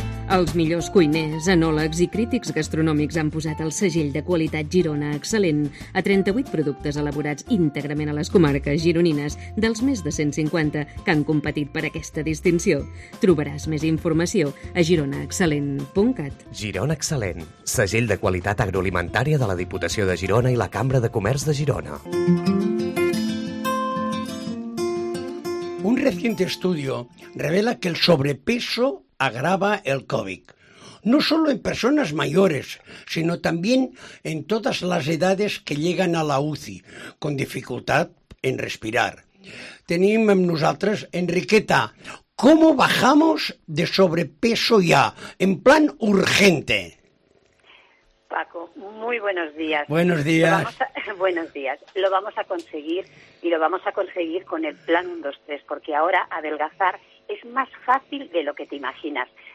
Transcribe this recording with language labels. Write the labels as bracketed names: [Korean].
[Catalan] Els millors cuiners, enòlegs i crítics gastronòmics han posat el segell de qualitat Girona Excel·lent a 38 productes elaborats íntegrament a les comarques gironines dels més de 150 que han competit per aquesta distinció. Trobaràs més informació a gironaexcel·lent.cat. Girona Excel·lent, segell de qualitat agroalimentària de la Diputació de Girona i la Cambra de Comerç de Girona. [Spanish] Un reciente estudio revela que el sobrepeso agrava el COVID, no solo en personas mayores, sino también en todas las edades que llegan a la UCI con dificultad en respirar. [Catalan] Tenim amb nosaltres Enriqueta. [Spanish] ¿Cómo bajamos de sobrepeso ya, en plan urgente? Paco, muy buenos días. Buenos días. Lo vamos a conseguir, y lo vamos a conseguir con el plan 1-2-3, porque ahora adelgazar es más fácil de lo que te imaginas.